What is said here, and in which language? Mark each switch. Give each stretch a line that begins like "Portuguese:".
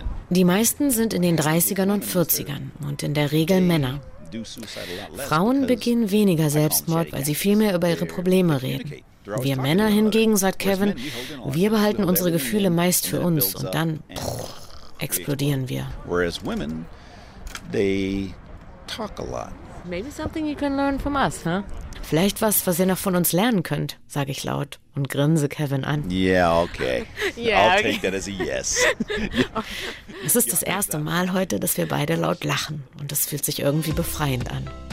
German: Die meisten sind in den 30ern und 40ern und in der Regel Männer. Frauen begehen weniger Selbstmord, weil sie viel mehr über ihre Probleme reden. Wir Männer hingegen, sagt Kevin, wir behalten unsere Gefühle meist für uns und dann explodieren wir.
English: Whereas women, they talk a lot. Maybe something you can learn from us, huh?
German: Vielleicht was, was ihr noch von uns lernen könnt, sage ich laut und grinse Kevin an.
English: Yeah, okay. Yeah, I'll take that as a yes.
German: Es ist das erste Mal heute, dass wir beide laut lachen und es fühlt sich irgendwie befreiend an.